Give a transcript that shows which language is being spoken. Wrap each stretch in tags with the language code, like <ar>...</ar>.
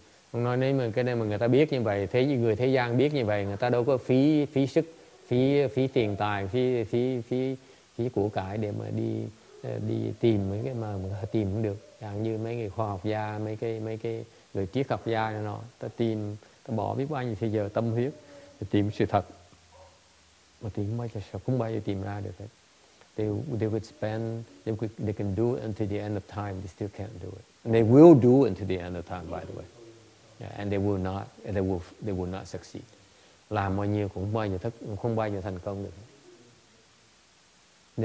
<vi>Ông nói nếu mà cái này mà người ta biết như vậy, thế như người thế gian biết như vậy, người ta đâu có phí sức, phí tiền tài, phí của cải để mà đi tìm mấy cái mà người ta tìm không được. Chẳng như mấy người khoa học gia, mấy cái người triết học gia này nọ, ta tìm, ta bỏ biết bao nhiêu thời giờ tâm huyết để tìm sự thật, mà tìm mấy cái sao không bao giờ tìm ra được hết.</vi> <en>They can do it until the end of time, they still can't do it, and they will do it until the end of time, by the way. Yeah, and they will not succeed.</en> <vi>Làm bao nhiêu cũng bao nhiêu thất, không bao nhiêu thành công được.</vi>